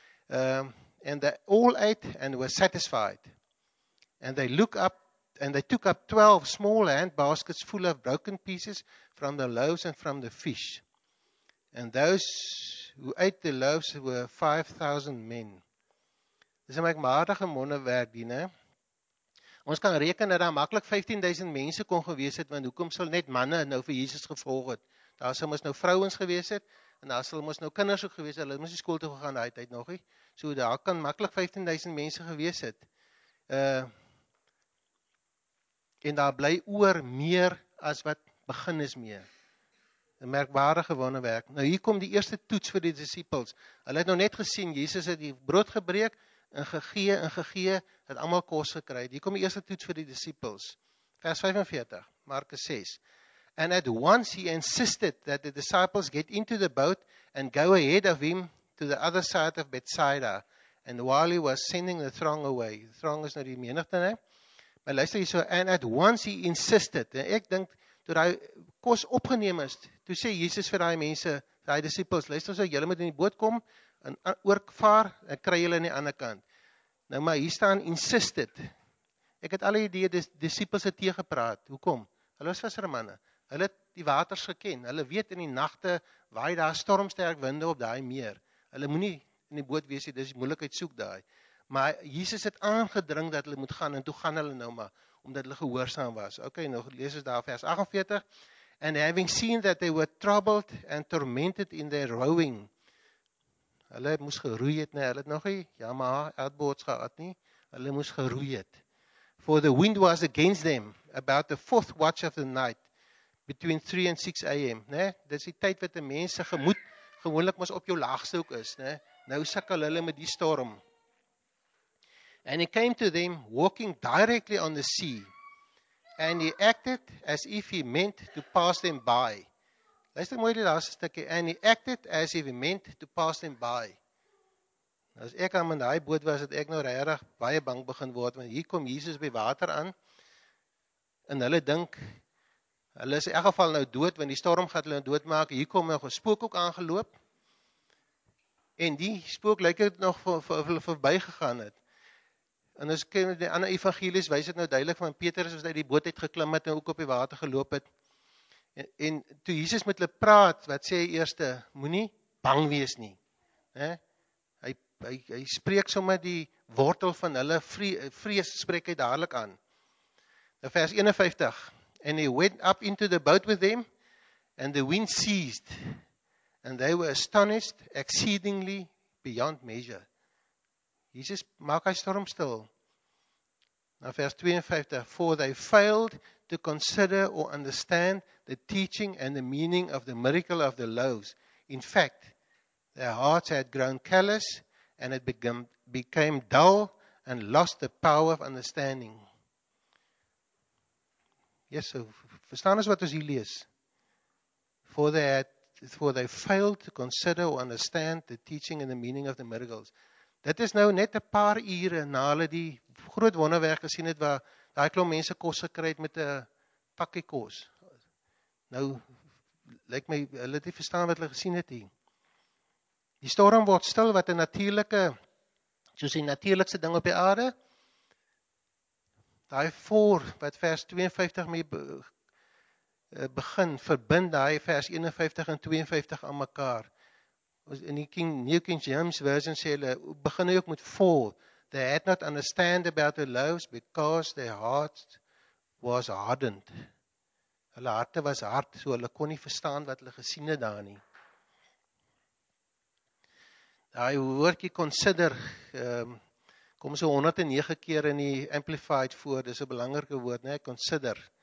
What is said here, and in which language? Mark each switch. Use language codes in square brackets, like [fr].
[en] And they all ate and were satisfied. And they look up, and they took up 12 small hand baskets full of broken pieces from the loaves and from the fish. And those who ate the loaves were 5,000 men. [af] Dis 'n merkwaardige wonderwerk die, nee. Ons kan reken dat daar makkelijk 15,000 mense kon gewees het, want hoekom sal net manne nou vir Jesus gevolg het? Daar sal ons nou vrouwens gewees het, en daar sal ons nou kinders ook gewees het, hulle moes die skool toe gegaan die tyd nog. So daar kan makkelijk 15,000 mense gewees het. En daar bly oor meer as wat begin is mee. Een merkwaardige wonderwerk. Nou hier kom die eerste toets vir die disciples. Hulle het nou net gesien, Jesus het die brood gebreek, en gegee, het allemaal kos gekry. Hier kom die eerste toets vir die disciples. Vers 45, Markus 6. [en] And at once he insisted that the disciples get into the boat and go ahead of him to the other side of Bethsaida. And while he was sending the throng away. [af] The throng is nou die menigte, ne? Maar luister hier so, and at once he insisted. En ek dink, toe die kos opgeneem is, toe sê Jesus vir die mense, die disciples, luister so, julle moet in die boot kom, en oorkvaar, en kry julle aan die ander kant. Nou maar hier staan, insisted. Ek het al die disciples het teëgepraat. Hoekom? Hulle was vissermanne. Hulle het die waters geken. Hulle weet in die nagte waai daar stormsterk winde op daai meer. Hulle moenie in die boot wees, dis die moeilikheid soek daai. Maar Jesus het aangedring dat hulle moet gaan, en toe gaan hulle nou maar, omdat hulle gehoorsaam was. Ok, nou lees ons daar vers 48, and having seen that they were troubled and tormented in their rowing, hulle moes geroei het, nee, hulle het nog nie, ja maar, outboards gehad nie, hulle moes geroei het. [en] For the wind was against them, about the fourth watch of the night, between 3 and 6 a.m. [af] Nee, dit is die tyd wat die mense gemoed, gewoonlik mos op jou laagste hoek is, nee, nou sukkel hulle met die storm. [en] And he came to them walking directly on the sea, and he acted as if he meant to pass them by. Luister mooi die laaste stukkie, and he acted as if he meant to pass them by. [af] As ek aan in daai boot was, het ek nou regtig baie bang begin word, want hier kom Jesus by water aan, en hulle dink, hulle is in elk geval nou dood, want die storm gaat hulle doodmaak, hier kom nog 'n spook ook aangeloop, en die spook lyk het nog voorbij gegaan het. En as ek die ander evangelies wys het nou duidelik van Petrus wat uit die boot uit geklim het en ook op die water geloop het. En toe Jesus met hulle praat, wat sê hy eerste, moenie bang wees nie. Hy spreek sommer die wortel van hulle vrees spreek hy dadelik aan. Nou vers 51. [en] And he went up into the boat with them, and the wind ceased, and they were astonished exceedingly beyond measure. Jesus, maak hy storm stil. Na vers 52, for they failed to consider or understand the teaching and the meaning of the miracle of the loaves. In fact, their hearts had grown callous and had became dull and lost the power of understanding. Yes, so verstaan ons wat ons hier lees. For they failed to consider or understand the teaching and the meaning of the miracles. [af] Dit is nou net 'n paar ure na hulle die groot wonderwerk gesien het waar daai klomp mense kos gekry het met 'n pakkie kos. Nou lyk my hulle het nie verstaan wat hulle gesien het hier. Die storm word stil wat 'n natuurlike soos die natuurlikste ding op die aarde. Daai voor wat vers 52 mee begin verbind daai vers 51 en 52 aan mekaar. In die New King James version sê hulle, begin hy ook met fall. [en] They had not understand about their loaves because their heart was hardened. [af] Hulle harte was hard, so hulle kon nie verstaan wat hulle gesien het daar nie. Daai woordjie consider, kom so 109 keer in die Amplified voor, dis 'n belangrike woord, nee, consider.